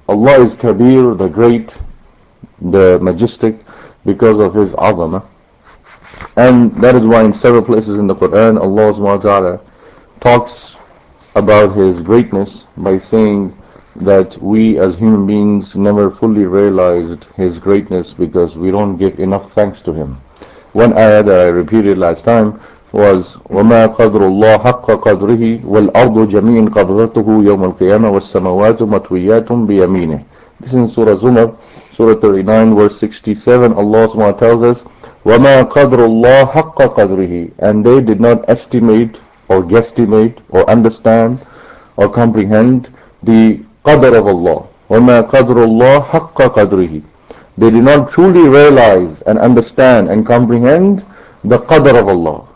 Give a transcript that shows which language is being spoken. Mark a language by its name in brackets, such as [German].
[English] Allah is Kabir, the great, the majestic, because of His Azamah. And that is why in several places in the Quran, Allah subhanahu wa ta'ala talks about His greatness by saying that we as human beings never fully realized His greatness because we don't give enough thanks to Him. One ayah that I repeated last time was [Arabic] وَمَا قَدْرُ اللَّهِ حَقَّ قَدْرِهِ وَالْأَرْضُ جَمِيعٌ قَبْضَتُهُ يَوْمَ الْقِيَامَةِ وَالسَّمَوَاتُ مَطْوِيَّاتٌ بِيَمِينِهِ. [English] This is in Surah Zumar, Surah 39, verse 67. Allah subhanahu wa ta'ala tells us [Arabic] وَمَا قَدْرُ اللَّهِ حَقَّ قَدْرِهِ, [English] and they did not estimate or guesstimate or understand or comprehend the qadr of Allah. [Arabic] وَمَا قَدْرُ اللَّهِ حَقَّ قَدْرِهِ, [English] they did not truly realize and understand and comprehend the qadr of Allah.